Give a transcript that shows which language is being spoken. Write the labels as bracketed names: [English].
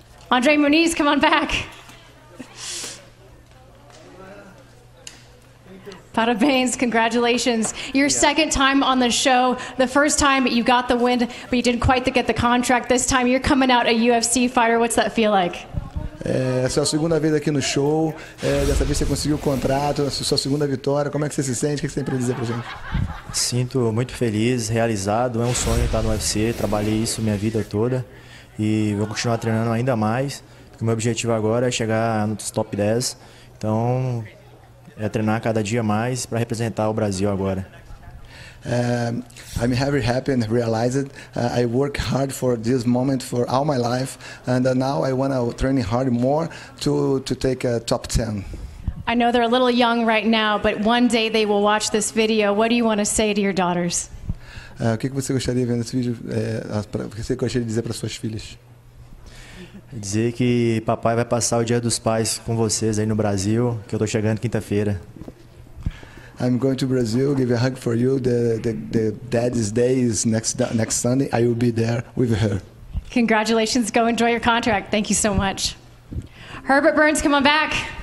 [English] Andre Muniz, come on back. Pada Baines, congratulations. Your second time on the show. The first time you got the win, but you didn't quite get the contract. This time you're coming out a UFC fighter. What's that feel like? [Portuguese] Essa é a segunda vez aqui no show. Dessa vez você conseguiu o contrato, sua segunda vitória. Como é que você se sente? O que você tem para dizer para a gente? Sinto muito feliz, realizado. É um sonho estar no UFC. Trabalhei isso minha vida toda. E vou continuar treinando ainda mais. Porque o meu objetivo agora é chegar nos top 10. Então, é treinar cada dia mais para representar o Brasil agora. [English] I'm very happy and realized I work hard for this moment for all my life, and now I want to train hard more to take a top 10. I know they're a little young right now, but one day they will watch this video. What do you want to say to your daughters? [Portuguese] O que você gostaria vendo esse vídeo? O que você gostaria de dizer para suas filhas? Dizer que papai vai passar o Dia dos Pais com vocês aí no Brasil, que eu tô chegando quinta-feira. [English] I'm going to Brazil, give a hug for you. The Dad's Day is next Sunday. I will be there with her. Congratulations. Go enjoy your contract. Thank you so much. Herbert Burns, come on back.